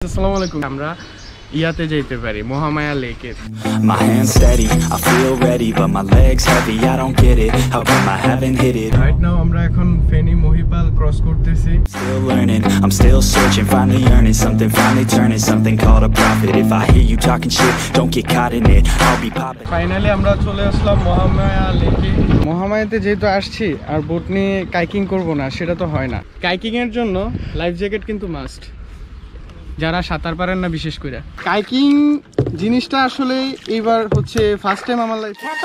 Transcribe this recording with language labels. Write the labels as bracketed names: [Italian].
[Bangla] আসসালামু আলাইকুম, আমরা ইয়াতে যাইতে পারি মহামায়া লেকে। [English] My hands steady, I feel ready but my legs heavy, I don't get it, how come I haven't hit it. Right now [Bangla] আমরা এখন ফেনী মহিপাল ক্রস করতেছি। [English] Still learning, I'm still searching, finally earning something, finally turning something called a profit. If I hear you talking shit, don't get caught in it, I'll be popping. [Bangla] Finally আমরা চলে আসলাম মহামায়া লেকে। মহামায়াতে যেহেতু আসছি আর boat নিয়ে kayaking করব না, সেটা তো হয় না। কাইকিং এর জন্য লাইফ জ্যাকেট কিন্তু মাস্ট, যারা সাঁতার পারেন না বিশেষ করে। কাইকিং জিনিসটা আসলে এবার হচ্ছে ফার্স্ট টাইম আমার লাইফে।